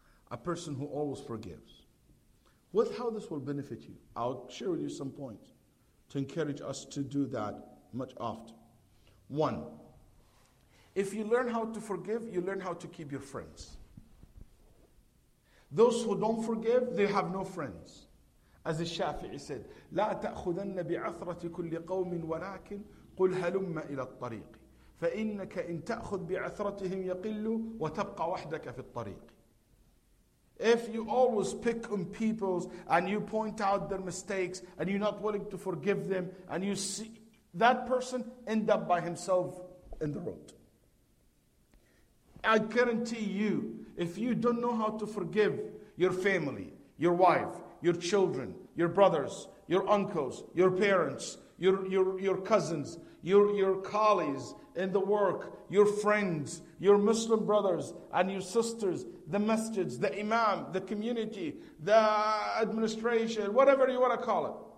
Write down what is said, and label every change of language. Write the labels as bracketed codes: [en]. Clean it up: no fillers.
[en] A person who always forgives? What, how this will benefit you? I'll share with you some points to encourage us to do that much often. One, if you learn how to forgive, you learn how to keep your friends. Those who don't forgive, they have no friends. As Shafi'i said, [ar] لا تأخذن بعثرة كل قوم ولكن قل هلم إلى الطريق فإنك إن تأخذ بعثرتهم يقل وتبقى وحدك في الطريق. [en] If you always pick on people and you point out their mistakes and you're not willing to forgive them and you see that person end up by himself in the road. I guarantee you, if you don't know how to forgive your family, your wife, your children, your brothers, your uncles, your parents, your cousins, your colleagues in the work, your friends, your Muslim brothers and your sisters, the masjid, the imam, the community, the administration, whatever you want to call it.